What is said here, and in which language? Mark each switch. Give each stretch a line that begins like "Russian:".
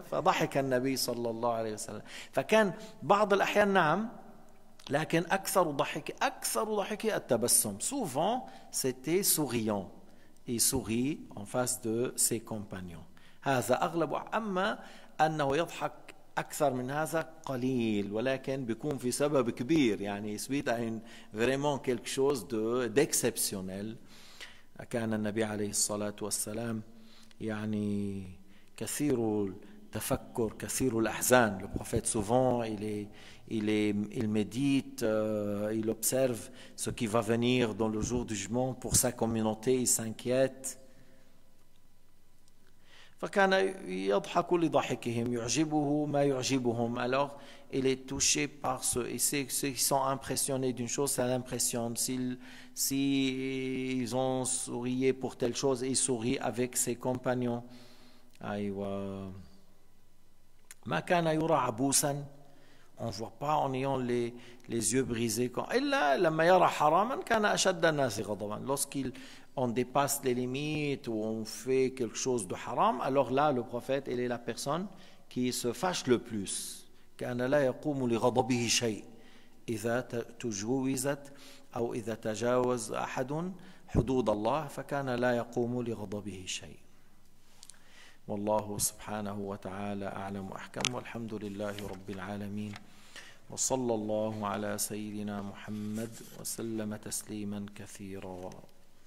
Arabic: فضحك النبي صلى الله عليه وسلم. فكان بعض الاحيان نعم, لكن اكثر ضحك, اكثر ضحك التبسم.
French: Souvent c'était souriant, il sourit en face de ses compagnons.
Arabic: هذا اغلب, اما انه يضحك أكثر من هذا قليل, ولكن بيكون في سبب كبير, يعني
French: suite à vraiment quelque chose d'exceptionnel.
Arabic: كان النبي عليه الصلاة والسلام يعني كثير التفكر, كثير الأحزان.
French: Le prophète souvent il médite, il observe ce qui va venir dans le jour du jugement pour sa communauté, il s'inquiète.
Arabic: فكان يضحك لضحكهم يعجبه ما يعجبهم.
French: Alors il est touché par ce, et ceux qui sont impressionnés d'une chose, ça l'impressionne. S'ils ont souri pour telle chose, il sourit avec ses compagnons.
Arabic: أيوة. ما كان يرى عبوسا,
French: on voit pas en ayant les yeux brisés.
Arabic: إلا لما يرى حراما كان أشد الناس غضبا.
French: Lorsqu'il on dépasse les limites ou on fait quelque chose de haram, alors là le prophète il est la personne qui se fâche le plus.
Arabic: كان لا يقوم لغضبه شيء اذا تجاوزت او اذا تجاوز احد حدود الله فكان لا يقوم لغضبه شيء. والله سبحانه وتعالى اعلم احكم, والحمد لله رب العالمين, وصلى الله على سيدنا محمد وسلم تسليما كثيرا.